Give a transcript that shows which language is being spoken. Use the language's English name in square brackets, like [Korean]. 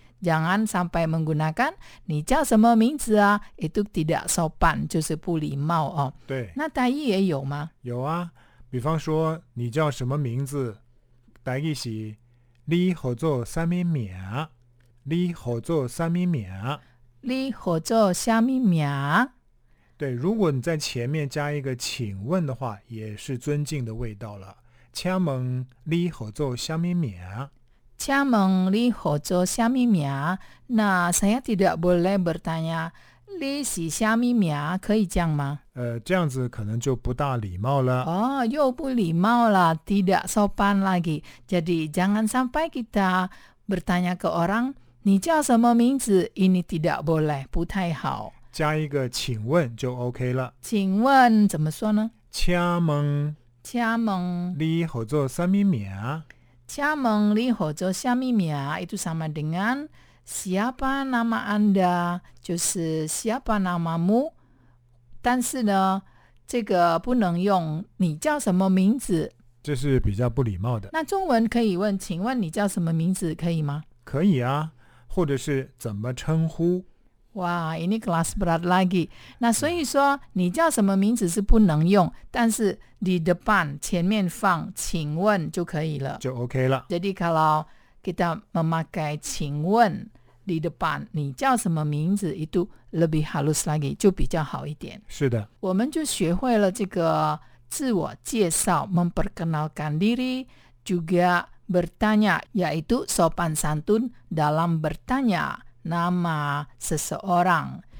[Indonesian] Jangan sampai menggunakan [Chinese] ni jiao shen me ming zi 啊, [Indonesian] itu tidak sopan, [Chinese] 就是不礼貌哦。对。那台语也有吗？有啊，比方说你叫什么名字？台语是你合作什么名？你合作什么名？你合作什么名？对，如果你在前面加一个请问的话，也是尊敬的味道了。请问你合作什么名？请问你合作什么名？ [Indonesian] 那 saya tidak boleh bertanya, [Chinese] 你是什么名？可以这样吗？这样子可能就不大礼貌了。哦，又不礼貌了， [Indonesian] tidak sopan lagi. Jadi jangan sampai kita bertanya ke orang, [Chinese] 你叫什么名字？ [Indonesian] Ini tidak boleh, [Chinese] 不太好。加一个请问就 OK 了。请问怎么说呢？请问，请问你合作什么名？请问你合作什么名？ [Indonesian] itu sama dengan siapa nama anda, 就是 siapa namamu, [Chinese] 但是呢这个不能用你叫什么名字，这是比较不礼貌的。那中文可以问请问你叫什么名字可以吗？可以啊，或者是怎么称呼。 [Indonesian] 哇， ini kelas berat lagi. [Chinese] 那所以说你叫什么名字是不能用，但是 [Indonesian] di depan [Chinese] 前面放请问就可以了，就 OK 了。 [Indonesian] Jadi kalau kita memakai 请问 di depan 你叫什么名字 itu lebih halus lagi, [Chinese] 就比较好一点。是的，我们就学会了这个自我介绍 [Indonesian] memperkenalkan diri juga bertanya yaitu sopan santun dalam bertanya nama seseorang.